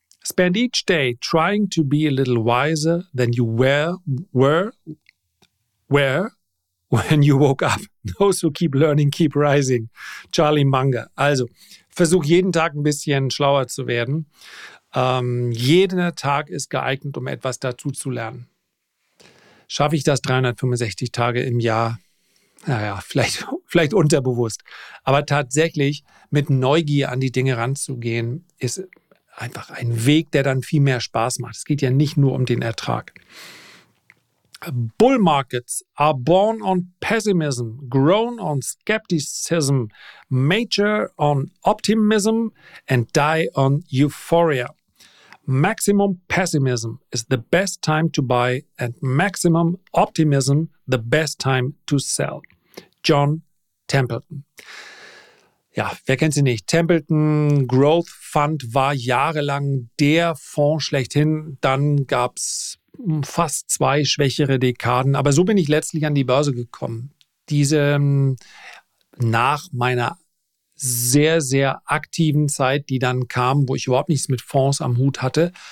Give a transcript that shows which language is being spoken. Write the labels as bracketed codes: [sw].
[en] Spend each day trying to be a little wiser than you were. Where, when you woke up, those who keep learning keep rising. Charlie Munger. [de] Also, versuch jeden Tag ein bisschen schlauer zu werden. Jeder Tag ist geeignet, um etwas dazu zu lernen. Schaffe ich das 365 Tage im Jahr? Naja, vielleicht unterbewusst. Aber tatsächlich mit Neugier an die Dinge ranzugehen, ist einfach ein Weg, der dann viel mehr Spaß macht. Es geht ja nicht nur um den Ertrag. [en] Bull markets are born on pessimism, grown on skepticism, mature on optimism and die on euphoria. Maximum pessimism is the best time to buy and maximum optimism the best time to sell. [de] John Templeton. Ja, wer kennt sie nicht? Templeton Growth Fund war jahrelang der Fonds schlechthin. Dann gab's fast zwei schwächere Dekaden. Aber so bin ich letztlich an die Börse gekommen. Diese nach meiner sehr, sehr aktiven Zeit, die dann kam, wo ich überhaupt nichts mit Fonds am Hut hatte.